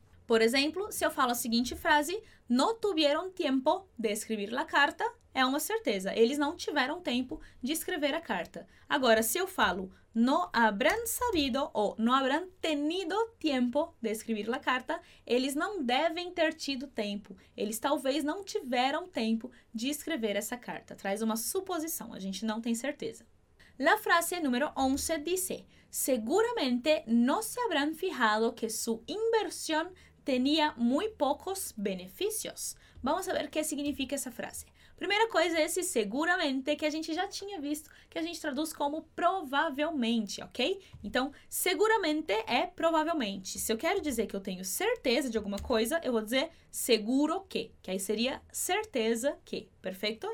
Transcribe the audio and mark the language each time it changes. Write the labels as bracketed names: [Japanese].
[Portuguese] Por exemplo, se eu falo a seguinte frase, [Spanish] no tuvieron tiempo de escribir la carta, [Portuguese] é uma certeza, eles não tiveram tempo de escrever a carta. Agora, se eu falo [Spanish] no habrán sabido [Portuguese] ou [Spanish] no habrán tenido tiempo de escribir la carta, [Portuguese] eles não devem ter tido tempo, eles talvez não tiveram tempo de escrever essa carta. Traz uma suposição, a gente não tem certeza. [Spanish] La frase número 11 dice, seguramente no se habrán fijado que su inversión tenía muy pocos beneficios. Vamos a ver [Portuguese] o que significa essa frase. Primeira coisa é esse seguramente, que a gente já tinha visto, que a gente traduz como provavelmente, ok? Então, seguramente é provavelmente. Se eu quero dizer que eu tenho certeza de alguma coisa, eu vou dizer [Spanish] seguro que [Portuguese] aí seria certeza que, perfeito?